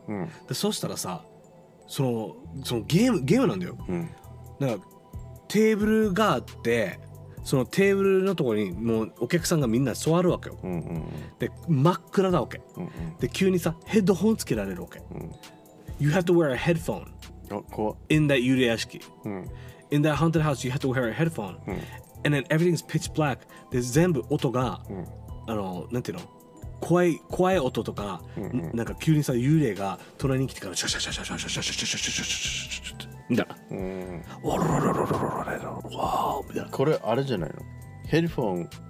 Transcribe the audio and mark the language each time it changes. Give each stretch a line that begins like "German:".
Japanese: うん、でそしたらさそのゲームなんだよ、うんなんかテーブルがあってそのテーブルのところにもうお客さんがみんな座るわけよ、うんうんうん、で真っ暗だわけ、うんうん、で急にさヘッドホンつけられるわけ、うん、
English: You have to wear a headphone in that 幽霊屋敷、
Japanese: うん、
English: In that haunted house you have to wear a headphone、
Japanese: うん、
English: And then everything is pitch black
Japanese: で全部音が、うん、なんていうの怖い音とか、うんうん、なんか急にさ幽霊が隣に来てからシャシャシャシャシャシャシャシャシャシャシャシャシャシャシャシャシャシャみたいな。うん。わあみたいな。これあれじゃないの？ヘッドホン